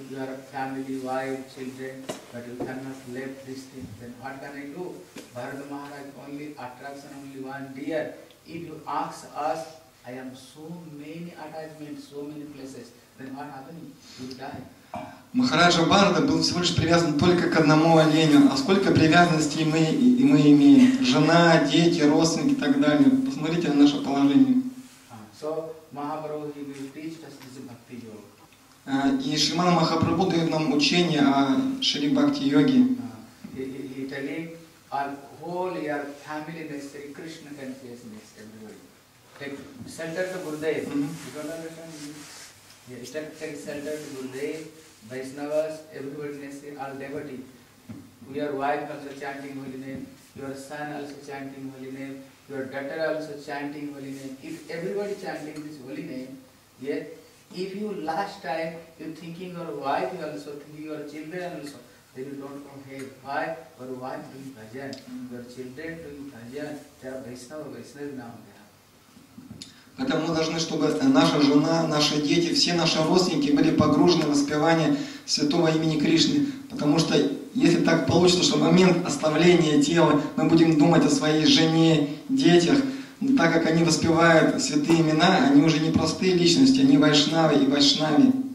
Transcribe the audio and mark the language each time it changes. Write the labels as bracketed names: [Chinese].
[English] Your family, wife, children, but you cannot leave this thing. Then what can I do? Bharata Maharaj only attraction, only one dear. If you ask us, I am so many attachments, so many places, then what happened? You die. [Russian] Махараджа Бхарата был всего лишь привязан только к одному оленю. А сколько привязанностей мы имеем? Жена, дети, родственники и так далее. Посмотрите на наше положение. [English] So, Mahaprabhu will teach us this bhakti yoga. [Russian] И Шримана Махапрабху дает нам учение о Шри Бхакти Йоге. [English] Vaishnavas, everybody can say, all devotees. Your wife also chanting holy name, your son also chanting holy name, your daughter also chanting holy name. If everybody chanting this holy name, yet if you last time you thinking your wife also, thinking your children also, then you don't come here. Why? Your wife doing bhajan, your children doing bhajan, they are Vaishnava, Vaishnava now. [Russian] Поэтому мы должны, чтобы наша жена, наши дети, все наши родственники были погружены в воспевание святого имени Кришны. Потому что если так получится, что в момент оставления тела мы будем думать о своей жене, детях, так как они воспевают святые имена, они уже не простые личности, они вайшнавы и вайшнави.